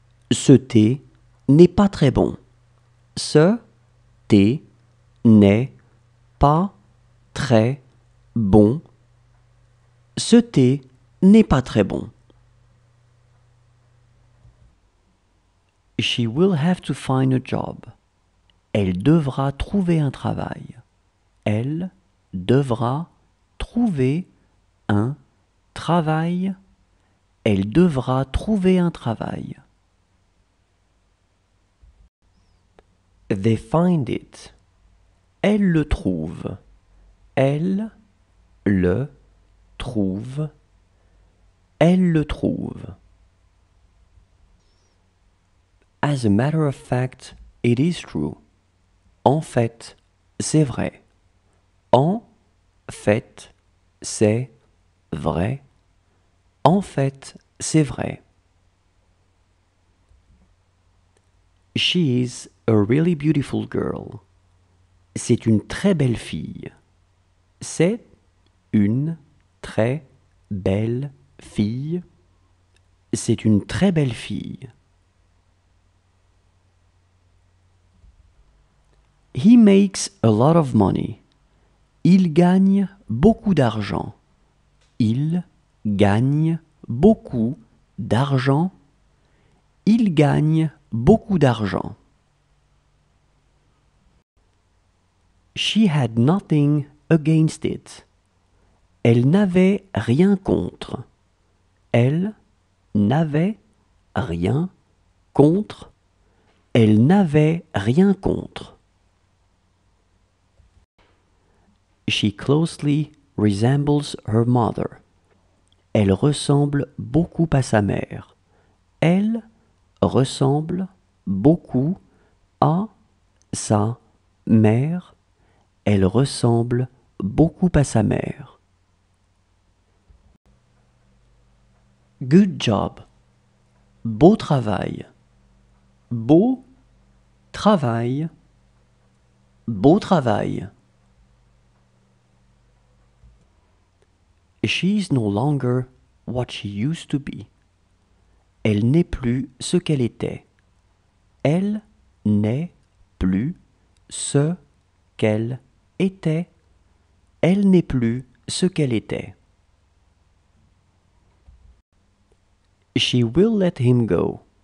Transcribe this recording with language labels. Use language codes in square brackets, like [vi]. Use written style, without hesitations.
[fr] Ce thé n'est pas très bon. Ce thé n'est pas très bon. Ce thé n'est pas très bon. [en] She will have to find a job. [fr] Elle devra trouver un travail. Elle devra trouver un travail. Elle devra trouver un travail. [en] They find it. [fr] Elle le trouve. Elle le trouve. Elle le trouve. [en] As a matter of fact, it is true. [fr] En fait, c'est vrai. En fait, c'est vrai. En fait, c'est vrai. [en] She is a really beautiful girl. [fr] C'est une très belle fille. C'est une très belle fille. C'est une très belle fille. [en] He makes a lot of money. [fr] Il gagne beaucoup d'argent. Il gagne beaucoup d'argent. Il gagne beaucoup d'argent. [en] She had nothing against it. [fr] Elle n'avait rien contre. Elle n'avait rien contre. Elle n'avait rien contre. [en] She closely resembles her mother. [fr] Elle ressemble beaucoup à sa mère. Elle ressemble beaucoup à sa mère. Elle ressemble beaucoup à sa mère. [en] Good job. [fr] Beau travail. Beau travail. Beau travail. [en] She's no longer what she used to be. [fr] Elle n'est plus ce qu'elle était. Elle n'est plus ce qu'elle était. Elle n'est plus ce qu'elle était. [en] She will let him go.